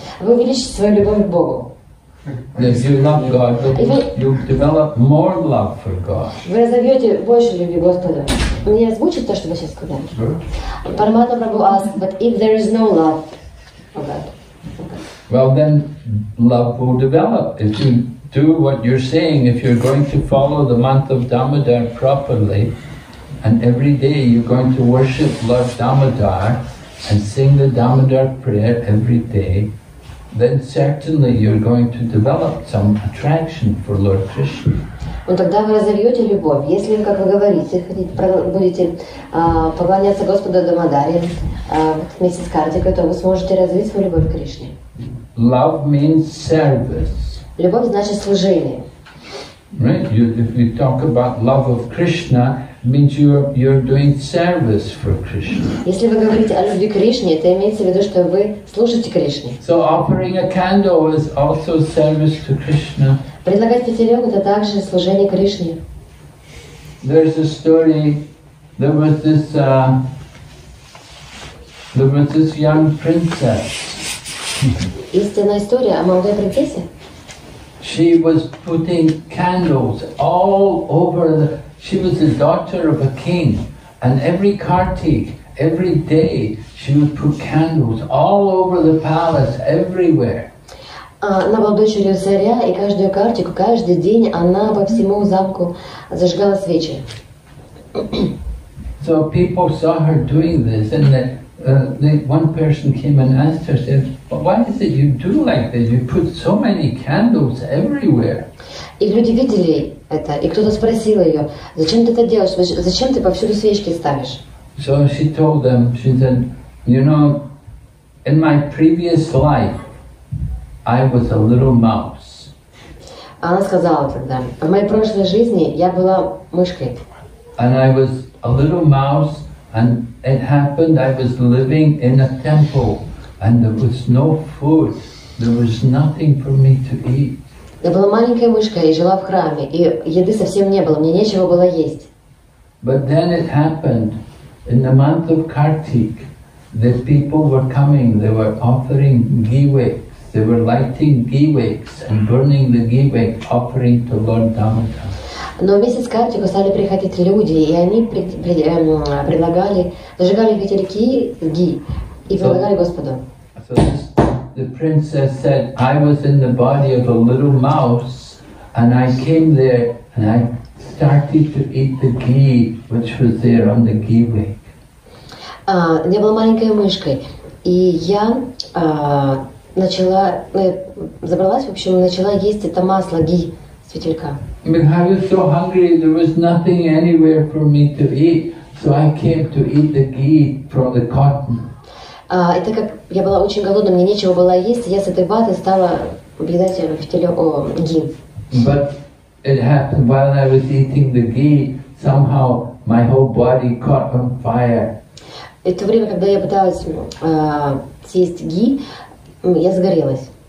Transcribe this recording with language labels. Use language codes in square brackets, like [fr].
[ru] Вы увеличите свою любовь к Богу. [en] If you love God, you develop more love for God. [ru] Вы разовьете больше любви к Господу. Мне озвучит то, что вы сейчас сказали. [en] Парамата Прабху asked, but if there is no love of God. Well, then love will develop if you do what you're saying. If you're going to follow the month of Damodar properly. And every day you're going to worship Lord Damodar and sing the Damodar prayer every day, then certainly you're going to develop some attraction for Lord Krishna. [ru] Ну тогда вы разовьете любовь. Если, как вы говорите, будете поклоняться Господу Дамодаре вместе с Картикой, то вы сможете развить свою любовь к Кришне. [en] Love means service. [ru] Любовь значит служение. [en] Right? If you talk about love of Krishna, means you're doing service for Krishna. [ru] Если вы говорите о любви Кришне, это имеется в виду, что вы служите Кришне. [en] So offering a candle is also service to Krishna. [ru] Предлагать фитилёк — это также служение Кришне. [en] There's a story. There was this young princess. [ru] Истинная история о молодой принцессе. [en] She was putting candles all over the. She was the daughter of a king, and every Kartik, every day, she would put candles all over the palace, everywhere. [ru] Она была дочерью царя, и каждую Картику, каждый день, она во всему замку зажигала свечи. [en] So people saw her doing this, and one person came and asked her, said, "Why is it you do like this? You put so many candles everywhere." [ru] И люди видели это, и кто-то спросил ее, зачем ты это делаешь, зачем ты повсюду свечки ставишь? [en] So she told them, she said, you know, in my previous life, I was a little mouse. [ru] Она сказала тогда, в моей прошлой жизни я была мышкой. [en] And I was a little mouse, and it happened, I was living in a temple, and there was no food, there was nothing for me to eat. [ru] Я была маленькая мышка и жила в храме, и еды совсем не было, мне нечего было есть. [en] But then it happened in the month of Kartik that people were coming, they were offering giveaways, they were lighting giveaways and burning the giveaway offering to Lord Damodar. [ru] Но в месяц Картика стали приходить люди, и они предлагали, зажигали ветерки ги и предлагали Господу. [en] The princess said, "I was in the body of a little mouse, and I came there and I started to eat the ghee, which was there on the ghee wick." [ru] Я была маленькой мышкой, и я начала забралась, в общем, начала есть это масло ги с фитилька. [en] Because I was so hungry, there was nothing anywhere for me to eat, so I came to eat the ghee from the cotton. [ru] Это как я была очень голодная, мне нечего было есть, я с этой ваты стала объедать ги. [en] But it happened while I was eating the ghee, somehow my whole body caught on fire. [ru] Это время, когда я пыталась съесть ги, я сгорелась.